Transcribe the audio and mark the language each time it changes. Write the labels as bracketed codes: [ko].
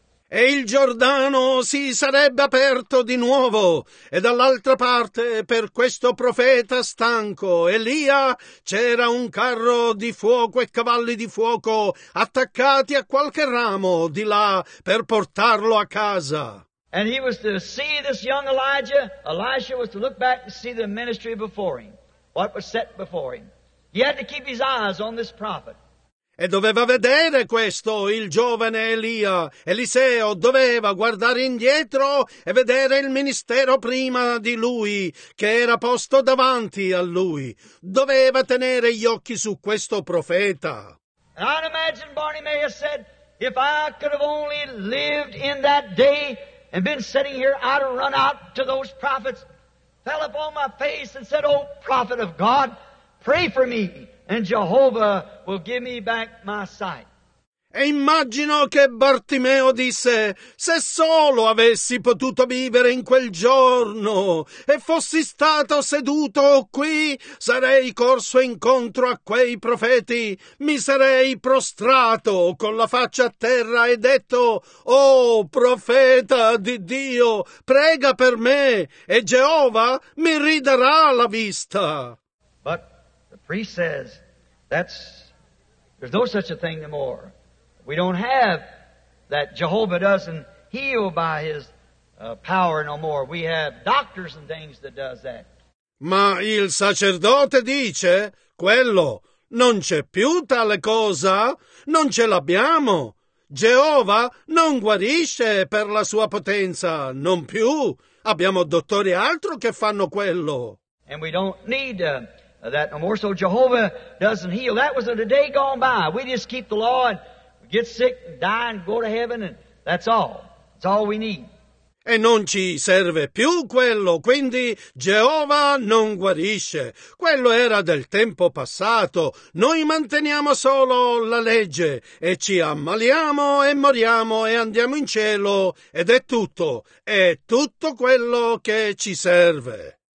[it] E il Giordano si sarebbe aperto di nuovo, e dall'altra parte, per questo profeta stanco Elia, c'era un carro di fuoco e cavalli di fuoco attaccati a qualche ramo di là per portarlo a casa. [en] And he was to see this young Elijah. Elisha was to look back and see the ministry before him, what was set before him. He had to keep his eyes on this prophet. [it] E doveva vedere questo il giovane Elia. Eliseo doveva guardare indietro e vedere il ministero prima di lui, che era posto davanti a lui. Doveva tenere gli occhi su questo profeta. [en] And I'd imagine Barney May has said, "If I could have only lived in that day and been sitting here, I'd have run out to those prophets, fell upon my face and said, 'Oh, prophet of God, pray for me, and Jehovah will give me back my sight.'" [it] E immagino che Bartimeo disse: "Se solo avessi potuto vivere in quel giorno e fossi stato seduto qui, sarei corso incontro a quei profeti, mi sarei prostrato con la faccia a terra e detto: 'Oh, profeta di Dio, prega per me e Geova mi ridarà la vista.'" [en] But the priest says, there's no such a thing anymore. We don't have that. Jehovah doesn't heal by his power no more. We have doctors and things that does that. [it] Ma il sacerdote dice: "Quello non c'è più tale cosa, non ce l'abbiamo. Geova non guarisce per la sua potenza, non più. Abbiamo dottori altro che fanno quello." [en] And we don't need that no more. So Jehovah doesn't heal. That was a day gone by. We just keep the law and get sick and die and go to heaven, and that's all. That's all we need. [it] e non ci serve più quello, quindi Geova non guarisce. Quello era del tempo passato, noi manteniamo solo la legge e ci ammaliamo e moriamo e andiamo in cielo ed è tutto quello che ci serve.